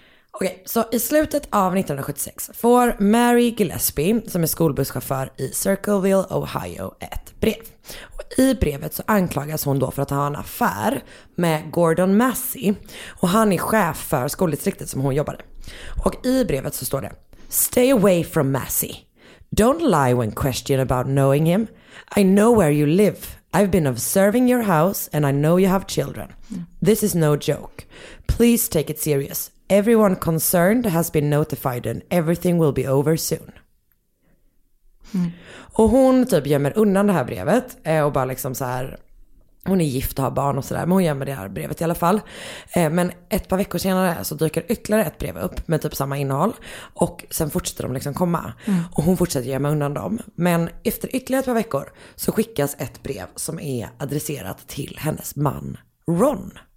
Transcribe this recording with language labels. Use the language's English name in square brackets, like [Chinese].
[Swedish] Okej, så i slutet av 1976 får Mary Gillespie, som är skolbusschaufför i Circleville, Ohio, ett brev. Och i brevet så anklagas hon då för att ha en affär med Gordon Massey. Och han är chef för skoldistriktet som hon jobbar i. Och i brevet så står det: [English] "Stay away from Massey. Don't lie when questioned about knowing him. I know where you live. I've been observing your house and I know you have children. This is no joke. Please take it serious. Everyone concerned has been notified and everything will be over soon." Mm. [Swedish] Och hon typ gömmer undan det här brevet och bara liksom så här, hon är gift och har barn och sådär, men hon gömmer det här brevet i alla fall. Men ett par veckor senare så dyker ytterligare ett brev upp med typ samma innehåll och sen fortsätter de liksom komma. Mm. Och hon fortsätter gömma undan dem. Men efter ytterligare ett par veckor så skickas ett brev som är adresserat till hennes man Ron.